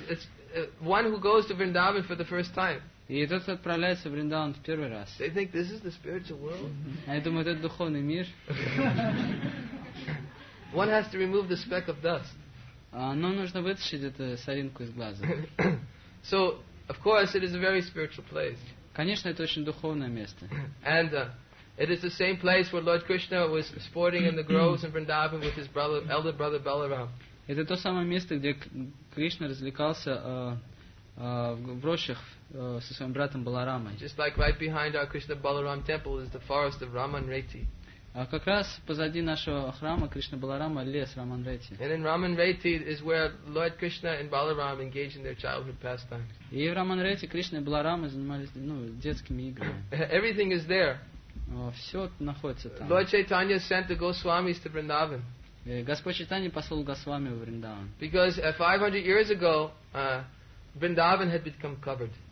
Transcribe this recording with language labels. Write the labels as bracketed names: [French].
[English] It's one who goes to Vrindavan for the first time. [Russian] И тот, кто отправляется в Вриндаван в первый раз. [English] They think this is the spiritual world. [Russian] Они думают, это духовный мир. [English] One has to remove the speck of dust. [Russian] Но нужно вытащить эту соринку из глаза. [English] So, of course, it is a very spiritual place. [Russian] Конечно, это очень духовное место. [English] And it is the same place where Lord Krishna was sporting in the groves in Vrindavan with his brother, elder brother Balaram. [Russian] Это то самое место, где Кришна развлекался в рощах со своим братом Баларамой. [English] Just like right behind our Krishna Balaram temple is the forest of Ramanreti. [Russian] Как раз позади нашего храма Кришна Баларама лес Раманрети. [English] And in Ramanreti is where Lord Krishna and Balaram engage in their childhood pastimes. [Russian] И в Раманрети Кришна и Баларама занимались детскими играми. [English] Everything is there. [Russian] Все находится там. [English] Lord Chaitanya sent the Goswamis to Vrindavan. [Russian] Господь Чайтанья послал Госвами в Вриндаван. [English] Because 500 years ago, Vrindavan had become covered.